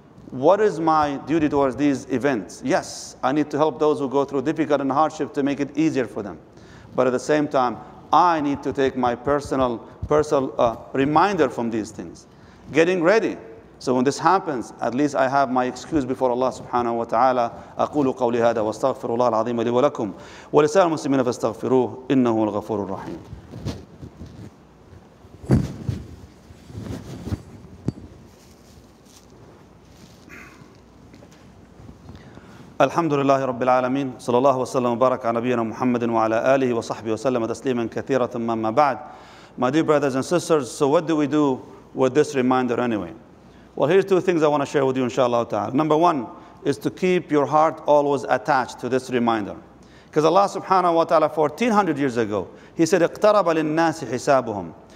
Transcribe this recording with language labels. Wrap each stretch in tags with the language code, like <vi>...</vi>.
<en>What is my duty towards these events? Yes, I need to help those who go through difficult and hardship to make it easier for them. But at the same time, I need to take my personal reminder from these things. Getting ready. So when this happens, at least I have my excuse before Allah subhanahu wa ta'ala.</en> <ar>أقول قولي هذا واستغفر الله العظيم لي ولكم ولسائر المسلمين فاستغفروه إنه الغفور الرحيم. الحمد لله رب العالمين صلى الله وسلم وبارك على نبينا محمد وعلى آله وصحبه وسلم تسليما كثيرا ثم بعد.</ar> <en>My dear brothers and sisters, so what do we do with this reminder anyway? Well, here's two things I want to share with you, inshallah ta'ala. Number one is to keep your heart always attached to this reminder. Because Allah subhanahu wa ta'ala, 1400 years ago, He said,</en> <ar>اقترب للناس حسابهم.</ar>